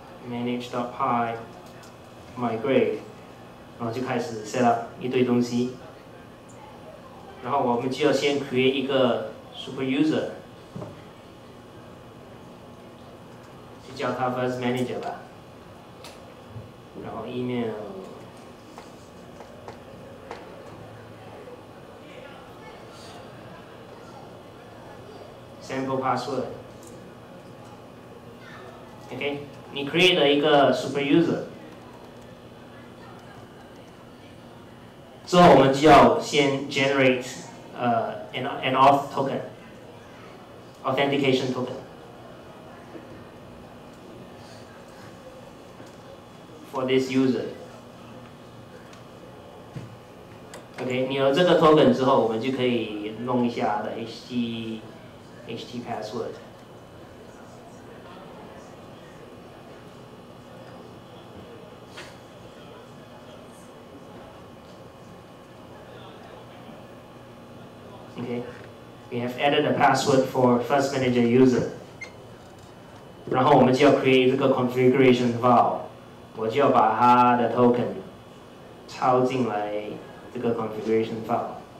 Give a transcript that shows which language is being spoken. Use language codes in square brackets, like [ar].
[zh] manage.py migrate， 然后就开始 set up 一堆东西，然后我们就要先 create 一个 super user， 就叫他 first manager 吧，然后 email sample password。 OK，你 create 了一个 super user， 之后我们就要先 [en] generate an auth token， authentication token for this user。 [zh] OK， 你有这个 token 之后，我们就可以弄一下的 HT password。 [en] Okay. We have added a password for first manager user. [zh] 然后我们就要 create 这个 configuration file， 我就要把它的 token 抄进来这个 configuration file。